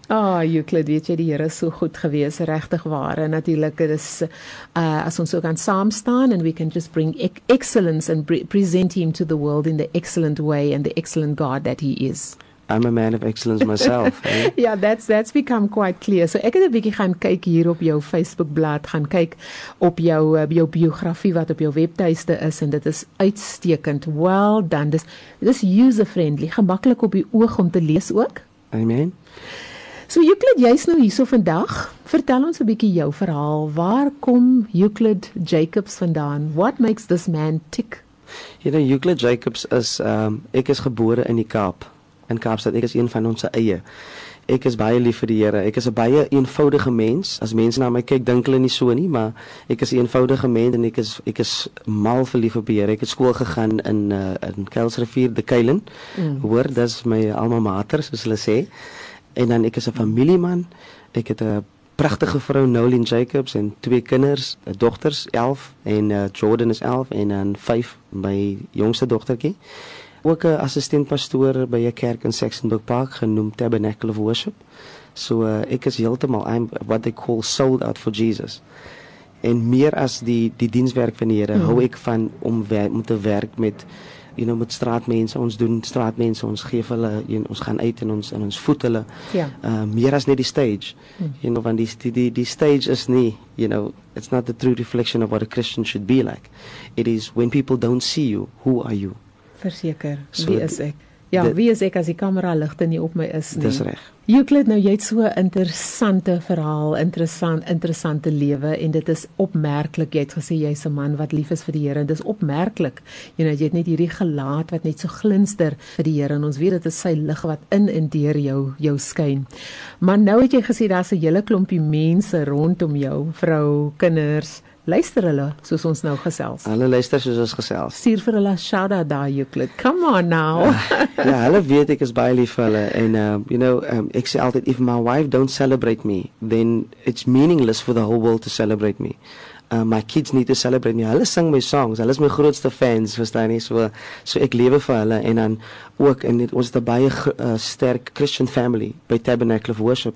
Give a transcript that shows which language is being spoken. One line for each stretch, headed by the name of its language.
Afrikaans: Ah, oh, Euclid, weet jy, die Here is so goed gewees, regtig waar. En natuurlik, is, as ons so kan saam staan,
English: and we can just bring excellence and present him to the world in the excellent way and the excellent God that he is. I'm a man of excellence myself. Eh? Yeah, that's become quite clear.
Afrikaans: So ek het 'n bietjie gaan kyk hier op jou Facebook blad, gaan kyk op jou biografie wat op jou webtuiste is en dit is uitstekend.
English: Well done.
Afrikaans: Dis user friendly, gemaklik op die oog om te lees ook.
English: Amen.
Afrikaans: So Euclid, jy's nou hierso vandag. Vertel ons 'n bietjie jou verhaal. Waar kom Euclid Jacobs vandaan?
English: What makes this man tick? You know,
Afrikaans: Euclid Jacobs is ek is gebore in die Kaap. En Kaapstad, ek is een van ons eie. Ek is baie lief vir die Here. Ek is 'n baie eenvoudige mens. As mense na my kyk, dink hulle nie so nie, maar ek is 'n eenvoudige mens en ek is mal verlief op die Here. Ek het skool gegaan in Kuilsrivier, De Kuilen. Hoor, dis my alma mater, soos hulle sê. En dan ek is 'n familieman. Ek het 'n pragtige vrou, Nolene Jacobs, en twee kinders, dogters, 11 en Jordan is 11 en dan 5 my jongste dogtertjie. Ook 'n assistentpastoor by 'n kerk in Saxonburg Park genoem Tabernacle of Worship. So ek is heeltemal
English: what they call sold out for Jesus.
Afrikaans: En meer as die dienswerk van die Here, hou ek van om te werk met met straatmense. Ons doen straatmense, ons gee hulle, ons gaan uit en ons voed hulle. Meer as net die stage. Want die stage is nie,
English: it's not the true reflection of what a Christian should be like. It is when people don't see you, who are you?
Afrikaans: Verseker, so, wie is ek? Ja, wie is ek as die kamera ligte nie op my is nie? Dis reg. Euclid, nou jy het so 'n interessante verhaal, interessante lewe en dit is opmerklik. Jy het gesê jy's 'n man wat lief is vir die Here. Dis opmerklik. Jy het net hierdie gelaat wat net so glinster vir die Here en ons weet dit is sy lig wat in en deur jou skyn. Maar nou het jy gesê daar's 'n hele klompie mense rondom jou, vrou, kinders. Luister hulle, soos ons nou gesels. Hulle luister soos ons gesels. Stuur vir hulle shout-out daar, Euclid.
English: Come on now.
Afrikaans: Ja, hulle weet ek is baie lief vir hulle. En, ek sê altyd,
English: if my wife don't celebrate me, then it's meaningless for the whole world to celebrate me. My kids need to celebrate me.
Afrikaans: Hulle sing my songs. Hulle is my grootste fans, verstaan jy? So ek lewe vir hulle. En dan ook, ons het 'n baie sterk
English: Christian family
Afrikaans: by Tabernacle of Worship.